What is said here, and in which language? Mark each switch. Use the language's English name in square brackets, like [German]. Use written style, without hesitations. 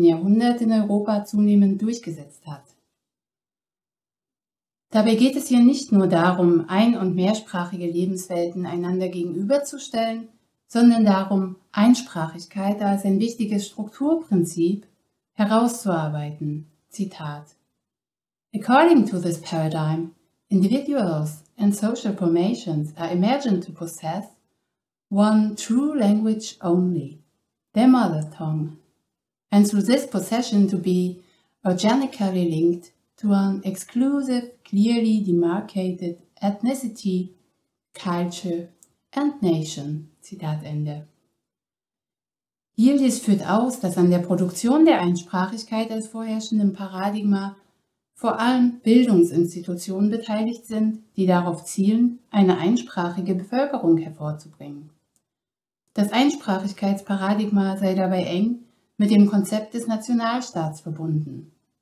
[German] Jahrhundert in Europa zunehmend durchgesetzt hat. Dabei geht es hier nicht nur darum, ein- und mehrsprachige Lebenswelten einander gegenüberzustellen, sondern darum, Einsprachigkeit als ein wichtiges Strukturprinzip herauszuarbeiten. [English] Zitat: According to this paradigm, individuals and social formations are imagined to possess one true language only, their mother tongue, and through this possession to be organically linked to an exclusive, clearly demarcated ethnicity, culture and nation. [German] Zitat Ende. Yildiz führt aus, dass an der Produktion der Einsprachigkeit als vorherrschendem Paradigma vor allem Bildungsinstitutionen beteiligt sind, die darauf zielen, eine einsprachige Bevölkerung hervorzubringen. Das Einsprachigkeitsparadigma sei dabei eng mit dem Konzept des Nationalstaats verbunden.